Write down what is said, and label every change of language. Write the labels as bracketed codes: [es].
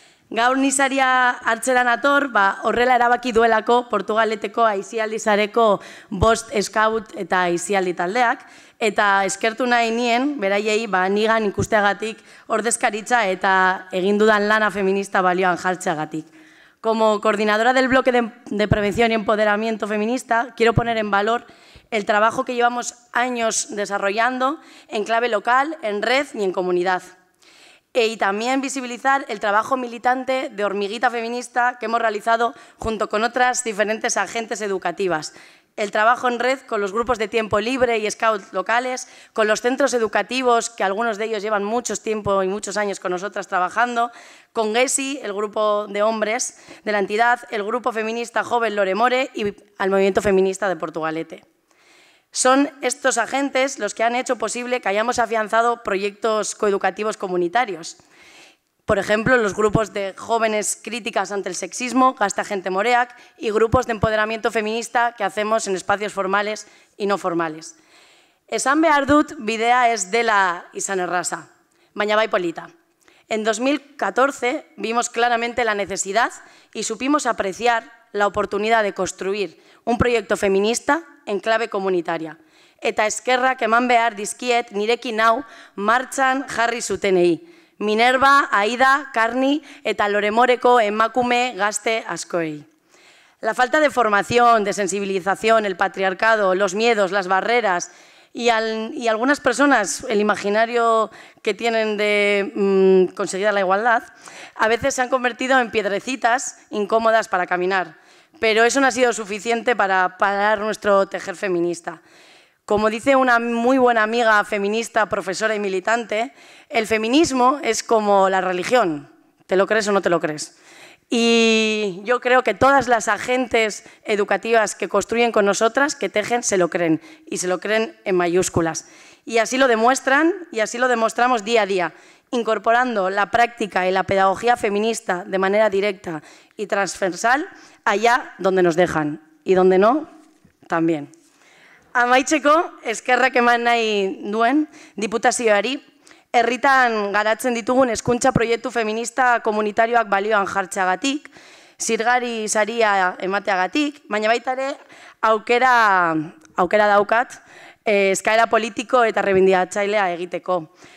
[eu] Gaur ni saria hartzeran ator, horrela erabaki duelako Portugaleteko Aisialdi Sareko bost eskaut eta aisialdi taldeak, eta eskertu nahi nien, beraiei, nigan ikusteagatik ordezkaritza eta egin dudan lana feminista balioan jartzeagatik. [es] Como coordinadora del bloque de prevención y empoderamiento feminista, quiero poner en valor el trabajo que llevamos años desarrollando en clave local, en red y en comunidad. Y también visibilizar el trabajo militante de Hormiguita Feminista que hemos realizado junto con otras diferentes agentes educativas. El trabajo en red con los grupos de tiempo libre y scouts locales, con los centros educativos, que algunos de ellos llevan mucho tiempo y muchos años con nosotras trabajando, con GESI, el grupo de hombres de la entidad, el grupo feminista joven Loremore y al movimiento feminista de Portugalete. Son estos agentes los que han hecho posible que hayamos afianzado proyectos coeducativos comunitarios. Por ejemplo, los grupos de jóvenes críticas ante el sexismo, Gasta Gente Moreac, y grupos de empoderamiento feminista que hacemos en espacios formales y no formales. [eu] Esan behar dut, bidea ez dela izan erraza, baina bai polita. [es] En 2014 vimos claramente la necesidad y supimos apreciar la oportunidad de construir un proyecto feminista en clave comunitaria. [eu] Eta eskerrak eman behar dizkiet nirekin hau martxan jarri zutenei. Minerva, Aida, Carni eta Loremoreko emakume gazte askoei. [es] La falta de formación, de sensibilización, el patriarcado, los miedos, las barreras y algunas personas, el imaginario que tienen de conseguida la igualdad, a veces se han convertido en piedrecitas incómodas para caminar. Pero eso no ha sido suficiente para parar nuestro tejer feminista. Como dice una muy buena amiga feminista, profesora y militante, el feminismo es como la religión, te lo crees o no te lo crees. Y yo creo que todas las agentes educativas que construyen con nosotras, que tejen, se lo creen, y se lo creen en mayúsculas. Y así lo demuestran y así lo demostramos día a día, incorporando la práctica y la pedagogía feminista de manera directa y transversal allá donde nos dejan y donde no, también. [eu] Amaitzeko, eskerrak eman nahi duen diputazioari, herritan garatzen ditugun hezkuntza proiektu feminista komunitarioak balioan jartzeagatik, zirgari saria emateagatik, baina baita ere aukera daukat eskaera politiko eta rebindikatzailea egiteko.